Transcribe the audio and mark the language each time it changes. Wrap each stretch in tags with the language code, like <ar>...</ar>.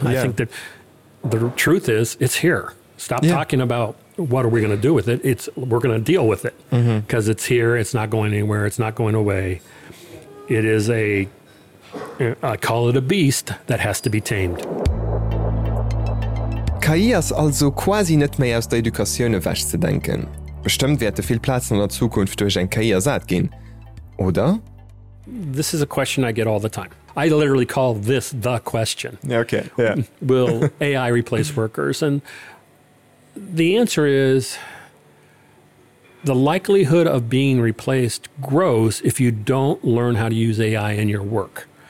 <en>Yeah. I think that the truth is it's here. Stop talking about what are we going to do with it. It's, we're going to deal with it because mm-hmm. it's here. It's not going anywhere. It's not going away. It is a, I call it a beast that has to be tamed.</en> <de>KI ist also quasi nicht mehr aus der Education wegzudenken. Bestimmt wird viel Platz in der Zukunft durch ein KI ersetzt gehen, oder?</de> <en>This is a question I get all the time. I literally call this the question. Okay. Yeah. Will AI replace workers? And the answer is the likelihood of being replaced grows if you don't learn how to use AI in your work.</en>